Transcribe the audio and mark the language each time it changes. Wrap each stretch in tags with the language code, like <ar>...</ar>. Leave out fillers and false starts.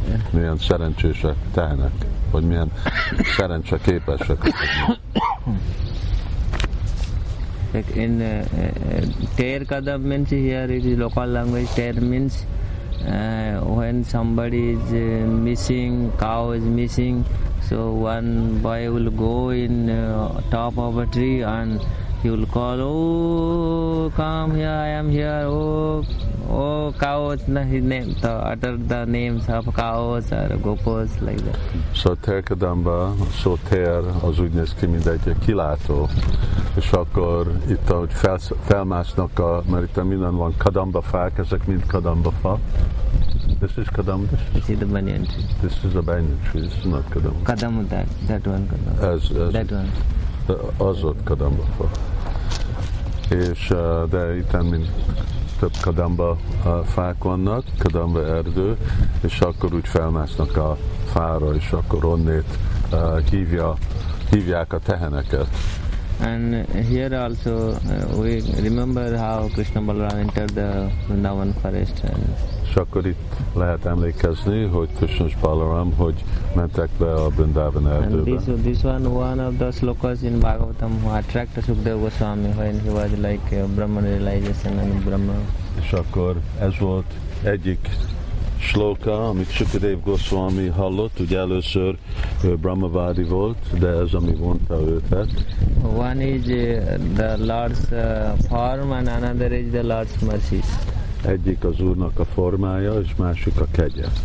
<hu>milyen szerencsések tehenek, vagy milyen szerencse képesek.</hu> <en>Like in ter kadam means here it is local language. Ter means when somebody is missing, cow is missing, so one boy will go in top of a tree and he will call, "Oh, come here, I am here, oh, cows," his name, to utter the names of cows or gopos, like that. So ter kadamba, so ter,</en> <hu>az úgy néz ki, mint egy kilátó. És akkor itt, ahogy felmásznak, mert itt minden van, kadamba fák, ezek mind kadamba fa.</hu> <en>This is kadamba. This is the banyan tree. This is a banyan tree, this is not kadamba. Kadamba, that one kadamba. That one.</en> <hu>Az ott kadamba fa. És de itten mind több kadamba fák vannak, kadamba erdő, és akkor úgy felmásznak a fára, és akkor onnét hívja hívják a teheneket.</hu> <en>And here also we remember how Krishna Balaram entered the Vrindavan forest.</en> <hu>És akkor itt lehet emlékezni, hogy Krishna Balaram hogy mentek be a Vrindavan erdőbe.</hu> <en>And this one of the slokas in Bhagavatam who attracted Sukadeva Goswami when he was like a Brahman realization and Brahma.</en> <hu>És akkor ez volt egyik sloka, amit Sukadeva Goswami hallott, ugye először Brahmavadi volt, de ez ami vonta őtet.</hu> <en>One is the Lord's form and another is the Lord's mercy.</en> <hu>Egyik az Úrnak a formája, és másik a kegye.</hu>